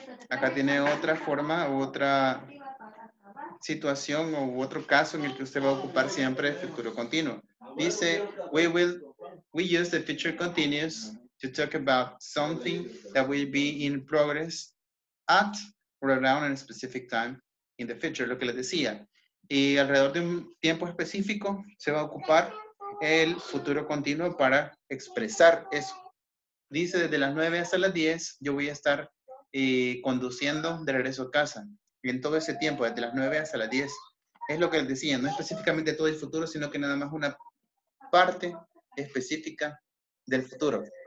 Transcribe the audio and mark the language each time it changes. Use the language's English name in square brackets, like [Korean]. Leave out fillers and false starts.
[Spanish] Acá tiene otra forma, otra situación o otro caso en el que usted va a ocupar siempre el futuro continuo. Dice, [English] we use the future continuous to talk about something that will be in progress at or around a specific time in the future. [Spanish] Lo que les decía. Y alrededor de un tiempo específico se va a ocupar el futuro continuo para expresar eso. Dice, desde las 9 hasta las 10, yo voy a estar conduciendo de regreso a casa. Y en todo ese tiempo, desde las 9 hasta las 10, es lo que les decía, no específicamente todo el futuro, sino que nada más una parte específica del futuro.